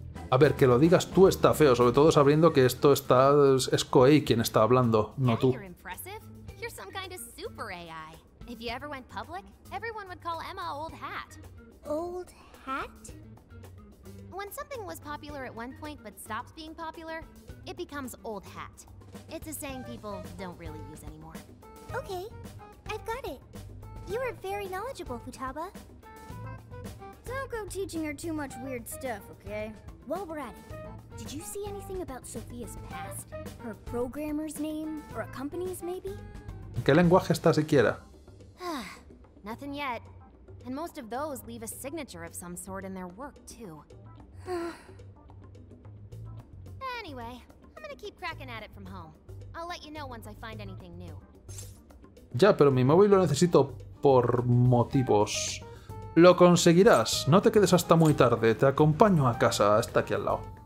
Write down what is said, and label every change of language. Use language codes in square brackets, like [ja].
[es] A ver, que lo digas tú está feo, sobre todo sabiendo que esto está... es Koei quien está hablando, no tú. [en] You're impressive? You're some kind of super AI. If you ever went public, everyone would call Emma Old Hat. Old Hat? When something was popular at one point but stops being popular, it becomes Old Hat. It's a saying people don't really use anymore. Okay, I've got it. You are very knowledgeable, Futaba. Don't go teaching her too much weird stuff, okay? While we're at it, did you see anything about Sophia's past? Her programmer's name or a company's maybe? [es] ¿Qué lenguaje está siquiera? [en] Nothing yet. And most of those leave a signature of some sort in their work, too. Anyway, I'm gonna keep cracking at it from home. I'll let you know once I find anything new. [es] Ya, pero mi móvil lo necesito por motivos. Lo conseguirás. No te quedes hasta muy tarde. Te acompaño a casa. Está aquí al lado.